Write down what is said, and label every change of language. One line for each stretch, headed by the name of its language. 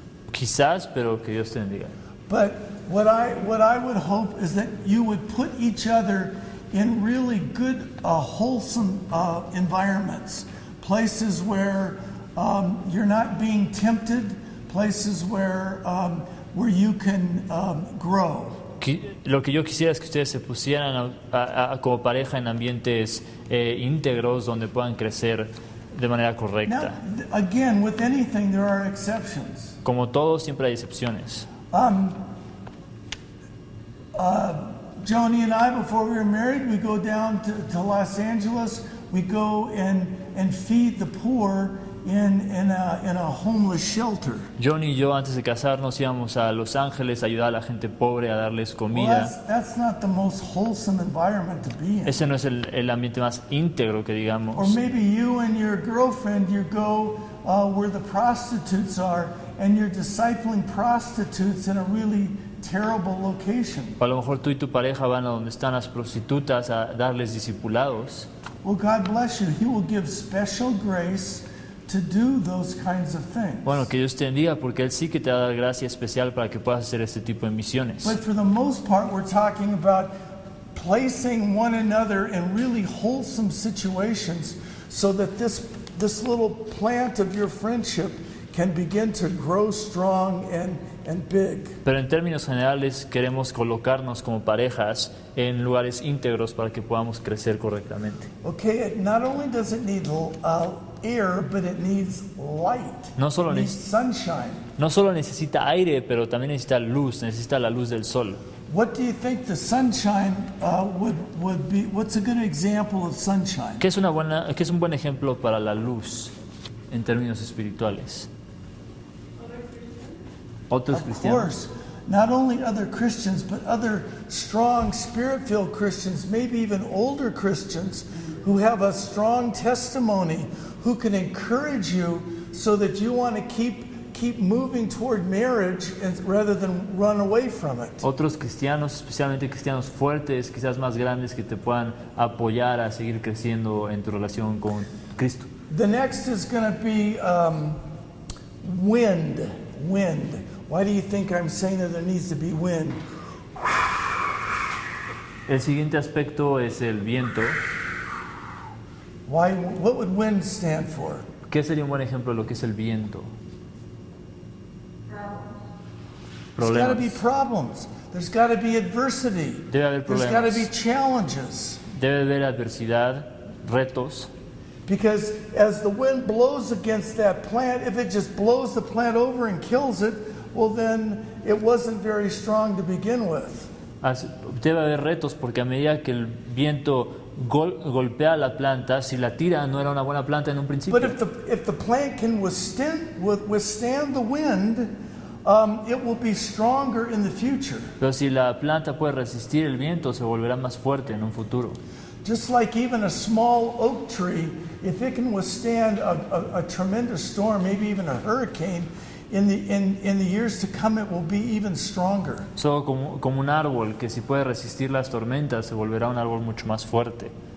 Spanish: Quizás, pero que Dios te bendiga.
English: But what I would hope is that you would put each other in really good, wholesome environments, places where you're not being tempted, places where you can grow.
Spanish: Lo que yo quisiera es que ustedes se pusieran como pareja en ambientes íntegros donde puedan crecer de manera correcta.
English: Now, again, with anything, there are exceptions.
Spanish: Como todo, siempre hay excepciones.
English: Joni and I, before we were married, we go down to Los Angeles. We go and feed the poor in a homeless shelter.
Spanish: Joni y yo, antes de casarnos, íbamos a Los Ángeles a ayudar a la gente pobre, a darles comida.
English: Well, that's not the most wholesome environment to be in.
Spanish: Ese no es el ambiente más íntegro que digamos.
English: Or maybe you and your girlfriend, you go where the prostitutes are, and you're discipling prostitutes in a really terrible location.
Spanish: A lo mejor tú y tu pareja van a donde están las prostitutas a darles discipulados.
English: Well, God bless you. He will give special grace to do those kinds of things.
Spanish: Bueno, que Dios te bendiga, porque Él sí que te va a dar gracia especial para que puedas hacer este tipo de misiones.
English: But for the most part, we're talking about placing one another in really wholesome situations so that this little plant of your friendship can begin to grow strong and big.
Spanish: Pero en términos generales queremos colocarnos como parejas en lugares íntegros para que podamos crecer correctamente.
English: Okay, not only does it need air, but it needs light.
Spanish: No solo
English: it needs sunshine.
Spanish: No solo necesita aire, pero también necesita luz, necesita la luz del sol.
English: What do you think the sunshine would be? What's a good example of sunshine?
Spanish: ¿Qué es un buen ejemplo para la luz en términos espirituales? Otros cristianos.
English: Of course, not only other Christians, but other strong, spirit-filled Christians, maybe even older Christians, who have a strong testimony, who can encourage you so that you want to keep moving toward marriage rather than run away from it.
Spanish: Otros cristianos, especialmente cristianos fuertes, quizás más grandes, que te puedan apoyar a seguir creciendo en tu relación con Cristo.
English: The next is going to be wind. Why do you think I'm saying that there needs to be wind?
Spanish: El siguiente aspecto es el viento.
English: Why? What would wind stand for?
Spanish: ¿Qué sería un buen ejemplo de lo que es el viento?
English: Problems. There's got to be problems. There's got to be adversity.
Spanish: Debe haber problemas.
English: There's got to be challenges.
Spanish: Debe haber adversidad, retos.
English: Because as the wind blows against that plant, if it just blows the plant over and kills it, well then it wasn't very strong to begin with.
Spanish: Debe haber retos porque a medida que el viento golpea la planta, si la tira no era una buena planta en un principio.
English: But if the plant can withstand the wind, it will be stronger in the future.
Spanish: Pero si la planta puede resistir el viento, se volverá más fuerte en un futuro.
English: Just like even a small oak tree, if it can withstand a tremendous storm, maybe even a hurricane, in the years to come, it will be even stronger.
Spanish: So como un árbol que si puede resistir las tormentas, se volverá un árbol mucho más fuerte.